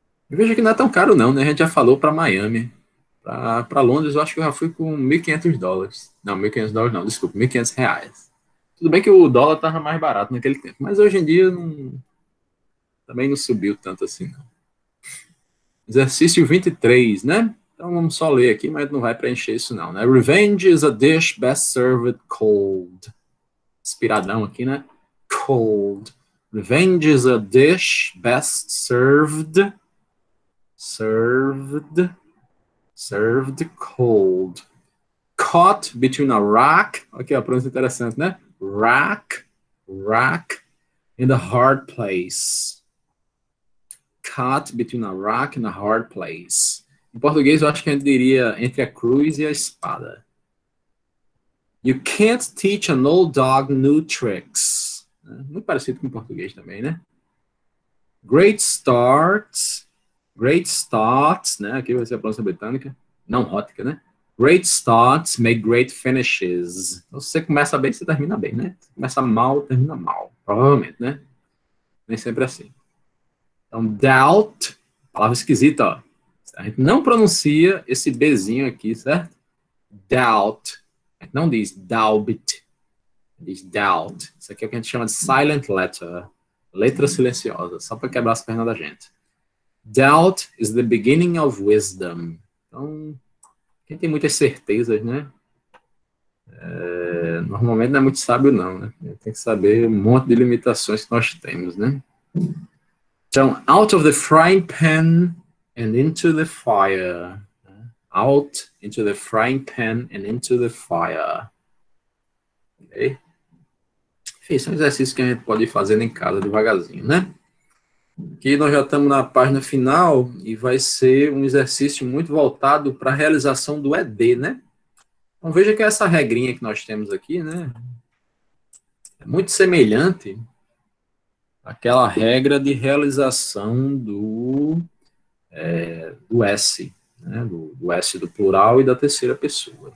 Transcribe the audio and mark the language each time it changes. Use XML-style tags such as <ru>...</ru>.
<pt>E veja que não é tão caro, não, né? A gente já falou para Miami. Para Londres, eu acho que eu já fui com 1.500 dólares. Não, 1.500 dólares não, desculpa, 1.500 reais. Tudo bem que o dólar estava mais barato naquele tempo, mas hoje em dia não. Também não subiu tanto assim, não. Exercício 23, né? Então vamos só ler aqui, mas não vai preencher isso, não, né?</pt> <en>Revenge is a dish best served cold.</en> <pt>Inspiradão aqui, né?</pt> <en>Cold. Revenge is a dish best served. Served. Served cold. Caught between a rock.</en> <pt>Aqui, ó, pronúncia interessante, né?</pt> <en>Rock. Rock. In the hard place. Caught between a rock and a hard place.</en> <pt>Em português, eu acho que a gente diria entre a cruz e a espada.</pt> <en>You can't teach an old dog new tricks.</en> <pt>Muito parecido com português também, né?</pt> <en>Great starts. Great starts,</en> <pt>né? Aqui vai ser a pronúncia britânica. Não, rótica, né?</pt> <en>Great starts make great finishes.</en> <pt>Então, se você começa bem, você termina bem, né? Se começa mal, termina mal. Provavelmente, né? Nem sempre assim. Então, doubt, palavra esquisita, ó. A gente não pronuncia esse Bzinho aqui, certo? Doubt, a gente não diz doubt, diz doubt. Isso aqui é o que a gente chama de silent letter, letra silenciosa, só para quebrar as pernas da gente.</pt> <en>Doubt is the beginning of wisdom.</en> <pt>Então, quem tem muitas certezas, né? Normalmente não é muito sábio, não, né? Tem que saber um monte de limitações que nós temos, né?</pt> <en>Então, out of the frying pan and into the fire. Out into the frying pan and into the fire. Ok?</en> <pt>Enfim, são exercícios que a gente pode ir fazendo em casa devagarzinho, né? que nós já estamos na página final e vai ser um exercício muito voltado para a realização do ED, né? Então veja que essa regrinha que nós temos aqui, né? É muito semelhante àquela regra de realização do S do plural e da terceira pessoa.</pt>